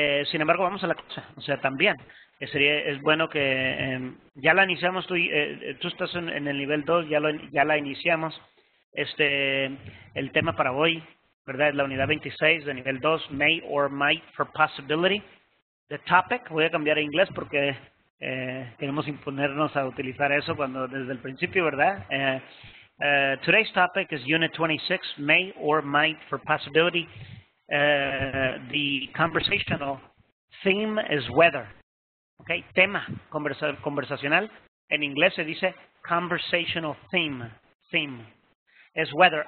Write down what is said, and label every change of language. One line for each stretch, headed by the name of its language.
Spanish: Sin embargo, vamos a la cosa, o sea, también, es bueno que ya la iniciamos, tú estás en el nivel 2, ya la iniciamos. El tema para hoy, ¿verdad? Es la unidad 26 de nivel 2,
English: May or Might for Possibility. The topic,
Spanish: voy a cambiar a inglés porque queremos imponernos a utilizar eso cuando desde el principio, ¿verdad?
English: Today's topic is Unit 26, May or Might for Possibility. The conversational theme is weather.
Spanish: Okay, tema conversacional. En inglés se dice conversational theme.
English: Theme is weather.